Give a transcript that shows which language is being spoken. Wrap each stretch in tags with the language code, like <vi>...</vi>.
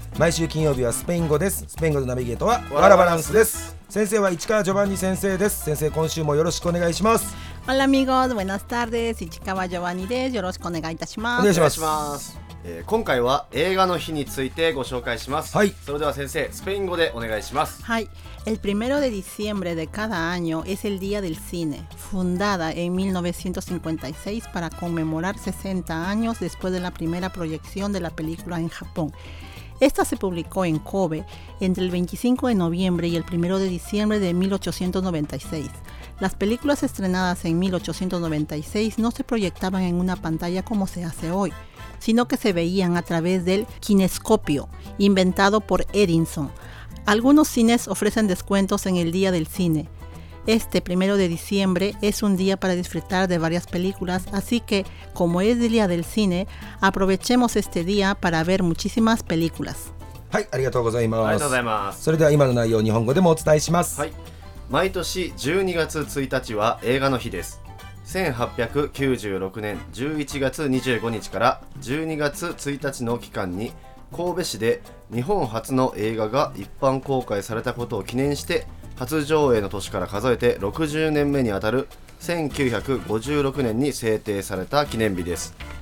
<ja>毎週金曜日はスペイン語です。スペイン語のナビゲートはワラバランスです。先生は市川ジョバンニ先生です。先生、今週もよろしくお願いします。ホラミゴーズ、ブエナスタールです。市川ジョバンニです。よろしくお願いいたします。お願いしま します、今回は映画の日についてご紹介します。はい、それでは先生、スペイン語でお願いします。はい。</ja> <es>El primero de diciembre de cada año es el Día del Cine, fundada en 1956 para conmemorar 60 años después de la primera proyección de la película en Japón. Esta se publicó en Kobe entre el 25 de noviembre y el 1 de diciembre de 1896. Las películas estrenadas en 1896 no se proyectaban en una pantalla como se hace hoy, sino que se veían a través del kinescopio inventado por Edison. Algunos cines ofrecen descuentos en el Día del Cine. Este primero de diciembre es un día para disfrutar de varias películas, así que, como es el Día del Cine, aprovechemos este día para ver muchísimas películas.</es> <ja>はい、ありがとうございます。ありがとうございます。それでは今の内容を日本語でもお伝えします。はい。毎年12月1日は映画の日です。1896年11月25日から12月1日の期間に、神戸市で日本初の映画が一般公開されたことを記念して、初上映の年から数えて60年目にあたる1956年に制定された記念日です。</ja>